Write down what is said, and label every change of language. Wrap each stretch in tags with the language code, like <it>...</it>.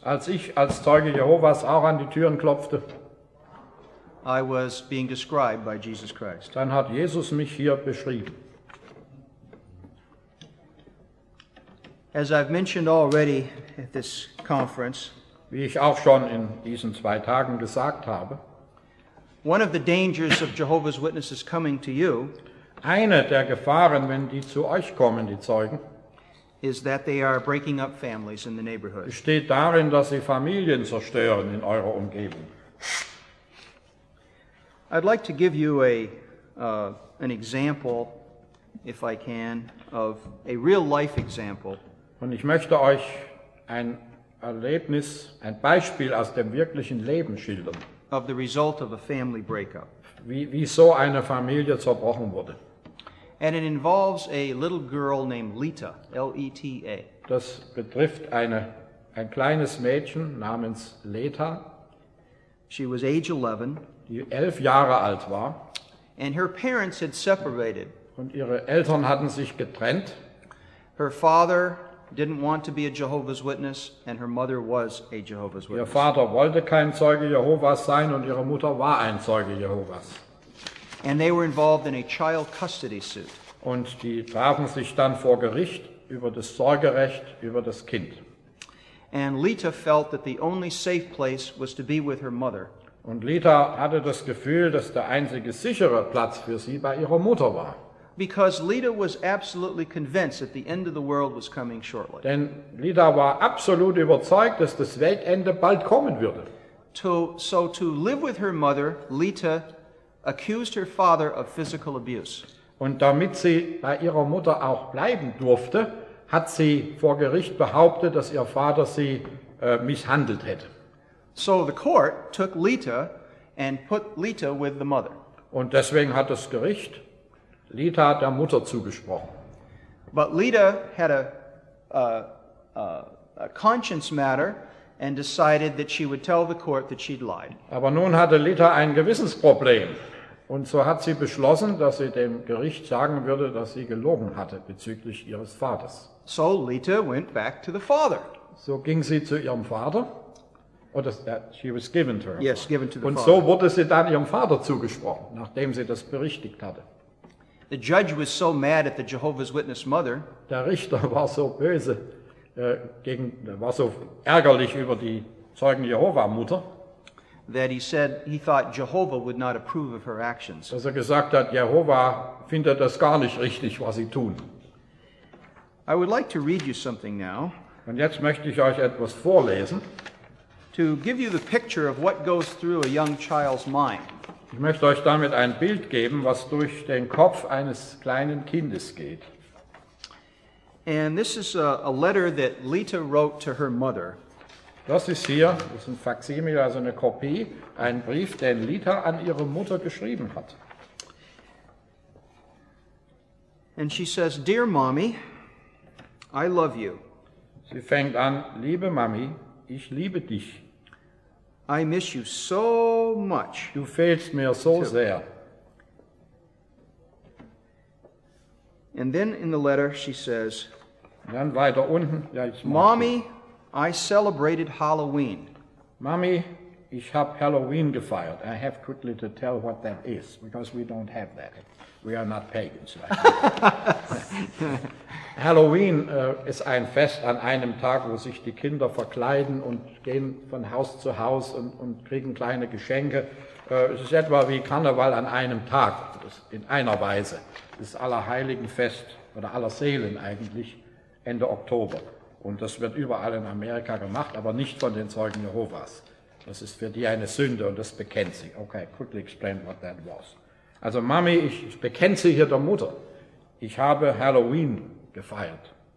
<de>als ich als Zeuge Jehovas auch an die Türen klopfte,</de> <en>I was being described by Jesus Christ.</en> <de>Dann hat Jesus mich hier beschrieben.</de> <en>As I've mentioned already at this conference,</en> <de>wie ich auch schon in diesen zwei Tagen gesagt habe,</de> <en>one of the dangers of Jehovah's Witnesses coming to you,</en> <de>eine der Gefahren, wenn die zu euch kommen, die Zeugen,</de> <en>is that they are breaking up families in the neighborhood.</en> <de>Besteht darin, dass sie Familien zerstören in eurer Umgebung.</de> <en>I'd like to give you an example, if I can, of a real life example.</en> <de>Und ich möchte euch ein Erlebnis, ein Beispiel aus dem wirklichen Leben schildern.</de> <en>Of the result of a family breakup.</en> <de>Wie so eine Familie zerbrochen wurde.</de> <en>And it involves a little girl named Leta, L-E-T-A.</en> <de>Das betrifft ein kleines Mädchen namens Leta.</de> <en>She was age 11.</en> <de>Die 11 Jahre alt war.</de> <en>And her parents had separated.</en> <de>Und ihre Eltern hatten sich getrennt.</de> <en>Her father didn't want to be a Jehovah's Witness, and her mother was a Jehovah's Witness.</en> <de>Ihr Vater wollte kein Zeuge Jehovas sein, und ihre Mutter war ein Zeuge Jehovas.</de> <en>And they were involved in a child custody suit.</en> <de>Und die trafen sich dann vor Gericht über das Sorgerecht über das Kind.</de> <en>And Leta felt that the only safe place was to be with her mother.</en> <de>Und Leta hatte das Gefühl, dass der einzige sichere Platz für sie bei ihrer Mutter war.</de> <en>Because Leta was absolutely convinced that the end of the world was coming shortly.</en> <de>Denn Leta war absolut überzeugt, dass das Weltende bald kommen würde.</de> <en>So to live with her mother, Leta accused her father of physical abuse.</en> <de>Und damit sie bei ihrer Mutter auch bleiben durfte, hat sie vor Gericht behauptet, dass ihr Vater sie misshandelt hätte.</de> <en>So the court took Leta and put Leta with the mother.</en> <de>Und deswegen hat das Gericht Leta der Mutter zugesprochen.</de> <en>But Leta had a conscience matter and decided that she would tell the court that she'd lied.</en> <de>Aber nun hatte Leta ein Gewissensproblem. Und so hat sie beschlossen, dass sie dem Gericht sagen würde, dass sie gelogen hatte bezüglich ihres Vaters.</de> <en>So Leta went back to the father.</en> <de>So ging sie zu ihrem Vater.</de> <en>Oder that she was given to her. Yes, given to the</en> <de>Und</de> <en>father.</en> <de>So wurde sie dann ihrem Vater zugesprochen, nachdem sie das berichtigt hatte.</de> <en>The judge was so mad at the Jehovah's Witness mother.</en> <de>Der Richter war so böse, war so ärgerlich über die Zeugen Jehova Mutter.</de> <en>That he said he thought Jehovah would not approve of her actions.</en> <de>Dass er gesagt hat, Jehovah findet das gar nicht richtig, was sie tun.</de> <en>I would like to read you something now.</en> <de>Und jetzt möchte ich euch etwas vorlesen.</de> <en>To give you the picture of what goes through a young child's mind.</en> <de>Ich möchte euch damit ein Bild geben, was durch den Kopf eines kleinen Kindes geht.</de> <en>And this is a letter that Leta wrote to her mother.</en> <de>Das ist hier, das ist ein Faksimil, also eine Kopie, ein Brief, den Leta an ihre Mutter geschrieben hat.</de> <en>And she says, "Dear Mommy, I love you."</en> <de>Sie fängt an, liebe Mami, ich liebe dich.</de> <en>"I miss you so much."</en> <de>Du fehlst mir so sehr.</de> <en>And then in the letter she says,</en> <de>dann weiter unten, ja,</de> <en>"Mommy, I celebrated Halloween."</en> <de>Mami, ich habe Halloween gefeiert.</de> <en>I have quickly to tell what that is, because we don't have that. We are not pagans. Right?</en> <de>Halloween ist ein Fest an einem Tag, wo sich die Kinder verkleiden und gehen von Haus zu Haus und kriegen kleine Geschenke. Es ist etwa wie Karneval an einem Tag, in einer Weise. Es ist Allerheiligenfest oder Allerseelen eigentlich Ende Oktober. Und das wird überall in Amerika gemacht, aber nicht von den Zeugen Jehovas. Das ist für die eine Sünde und das bekennt sie.</de> <en>Okay, quickly explain what that was.</en> <de>Also Mami, ich bekenne sie hier der Mutter. Ich habe Halloween gefeiert.</de>